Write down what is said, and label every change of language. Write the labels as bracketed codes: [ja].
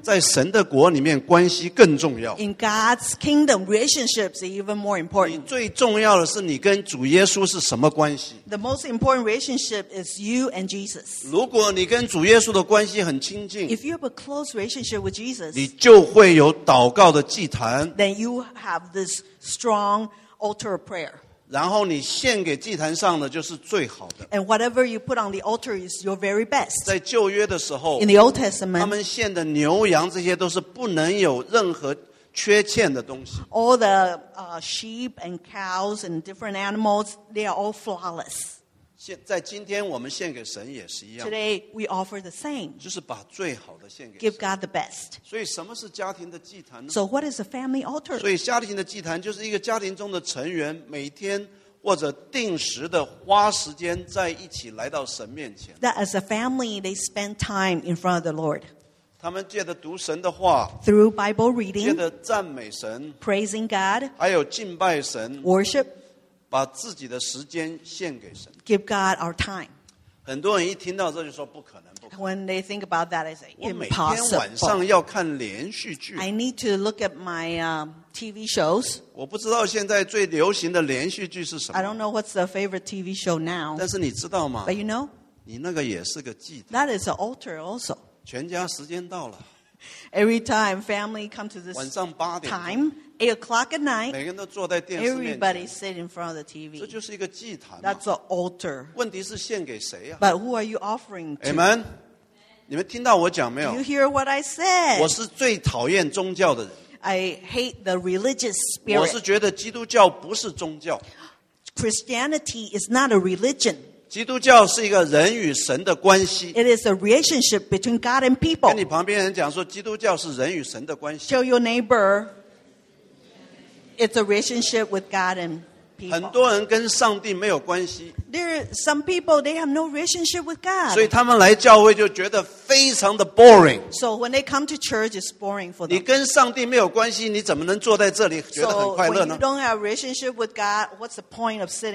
[zh] 在神的国里面关系更重要 [en] in God's kingdom, relationships are even more important. [zh] 最重要的是你跟主耶稣是什么关系 [en] The most important relationship is you and Jesus. [zh] 如果你跟主耶稣的关系很亲近 [en] if you have a close relationship with Jesus, [zh] 你就会有祷告的祭坛 [en] then you have this strong,Altar of prayer. [zh] 然后你献给祭坛上的就是最好的。 [en] And whatever you put on the altar is your very best. [zh] 在旧约的时候 [en] In the Old Testament, [zh] 他们献的牛羊这些都是不能有任何缺欠的东西。 [en] All the sheep and cows and different animals, they are all flawless. [zh] 在今天我们献给神也是一样。 [en] Today, we offer the same. [zh] 就是把最好的献给神。 [en] Give God the best. [zh] 所以什么是家庭的祭坛呢？ [en] So what is a family altar? [zh] 所以家庭的祭坛就是一个家庭中的成员每天或者定时的花时间在一起来到神面前。 [en] That as a family, they spend time in front of the Lord. [zh] 他们借着读神的话 [en] Through Bible reading. [zh] 借着赞美神 [en] Praising God. [zh] 还有敬拜神 [en] Worship. [zh] 把自己的时间献给神 [en] Give God our time. [zh] 很多人一听到这就说不可能，不可能。 [en] When they think about that, I say impossible. [zh] 我每天晚上要看连续剧。 [en] I need to look at my TV shows. [zh] 我不知道现在最流行的连续剧是什么。 [en] I don't know what's the favorite TV show now. [zh] 但是你知道吗 [en] ？But you know, [zh] 你那个也是个祭坛。 [en] That is an altar also. [zh] 全家时间到了。 [en] Every time family come to this time, 8 o'clock at night, [zh] 每个人都坐在电视 [en] everybody sit in front of the TV. [zh] 这就是一个祭坛嘛 [en] That's an altar. [zh] 问题是献给谁啊 [en] But who are you offering to? [zh] Amen. 你们听到我讲没有 [en] Do you hear what I said? [zh] 我是最讨厌宗教的人 [en] I hate the religious spirit. [zh] 我是觉得基督教不是宗教 [en] Christianity is not a religion. [zh] 基督教是一个人与神的关系。 [en] It is a relationship between God and people. [zh] 跟你旁边人讲说，基督教是人与神的关系。 [en] Tell your neighbor, it's a relationship with God and people. [zh] 很多人跟上帝没有关系。 [en] There are some people, they have no relationship with God. [zh] 所以他们来教会就觉得非常的 boring. [en] So when they come to church, it's boring for them. [zh] 你跟上帝没有关系，你怎么能坐在这里觉得很快乐呢 [en] ？So when you don't have a relationship with God, what's the point of sitting here?